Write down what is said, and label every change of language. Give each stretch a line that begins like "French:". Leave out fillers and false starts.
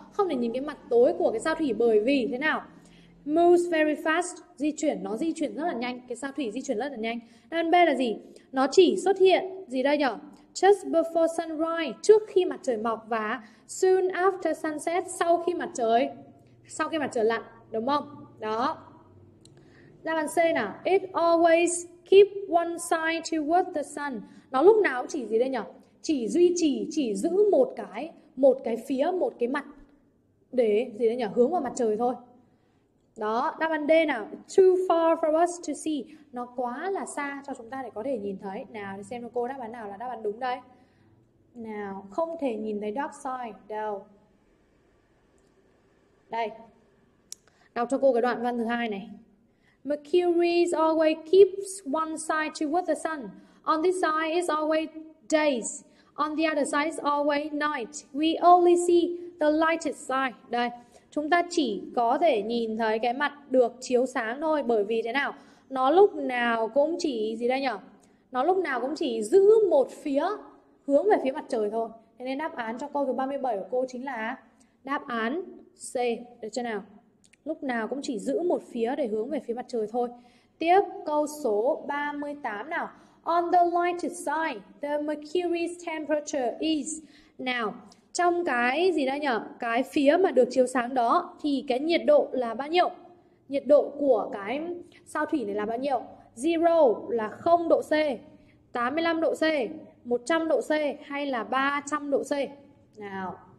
Vietnamese: Không thể nhìn cái mặt tối của cái sao Thủy bởi vì thế nào?
English: Moves very fast,
Vietnamese: di chuyển, nó di chuyển rất là nhanh, cái sao Thủy di chuyển rất là nhanh. Đáp án B là gì? Nó chỉ xuất hiện gì đây nhở?
English: Just before sunrise,
Vietnamese: trước khi mặt trời mọc và
English: soon after sunset,
Vietnamese: sau khi mặt trời lặn, đúng không? Đó. Đáp án C nào?
English: It always keep one side towards the sun.
Vietnamese: Nó lúc nào cũng chỉ gì đây nhở? Chỉ duy trì, chỉ giữ một cái phía, một cái mặt để gì đây nhở? Hướng vào mặt trời thôi. Đó, đáp án D nào.
English: Too far for us to see.
Vietnamese: Nó quá là xa cho chúng ta để có thể nhìn thấy. Nào, để xem cho cô đáp án nào là đáp án đúng đây. Nào, không thể nhìn thấy dark side đâu. Đây. Đọc cho cô cái đoạn văn thứ hai này.
English: Mercury always keeps one side towards the sun. On this side is always days. On the other side is always night. We only see the lighted side.
Vietnamese: Đây. Chúng ta chỉ có thể nhìn thấy cái mặt được chiếu sáng thôi bởi vì thế nào? Nó lúc nào cũng chỉ gì đây nhở? Nó lúc nào cũng chỉ giữ một phía hướng về phía mặt trời thôi. Thế nên đáp án cho câu thứ 37 của cô chính là đáp án C, được chưa nào? Lúc nào cũng chỉ giữ một phía để hướng về phía mặt trời thôi. Tiếp câu số 38 nào.
English: On the lighted side, the Mercury's temperature is now.
Vietnamese: Trong cái gì đây nhở? Cái phía mà được chiếu sáng đó thì cái nhiệt độ là bao nhiêu? Nhiệt độ của cái sao Thủy này là bao nhiêu? Zero là 0 độ C, 85 độ C, 100 độ C hay là 300 độ C? Nào.